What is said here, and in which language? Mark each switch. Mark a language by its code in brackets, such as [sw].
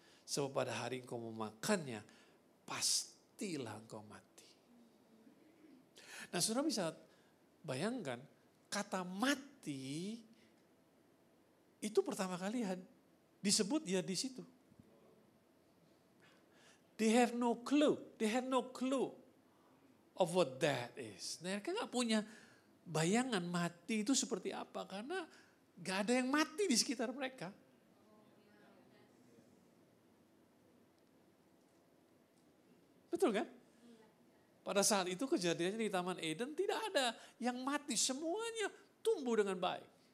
[id] Sebab pada hari engkau memakannya, pastilah engkau mati. Nah, saudara bisa bayangkan, kata mati itu pertama kali disebut ya di situ. [en] They have no clue. They have no clue of what that is. [id] Nah, mereka gak punya bayangan mati itu seperti apa. Karena gak ada yang mati di sekitar mereka. Betul kan? Pada saat itu kejadiannya di Taman Eden tidak ada yang mati. Semuanya tumbuh dengan baik.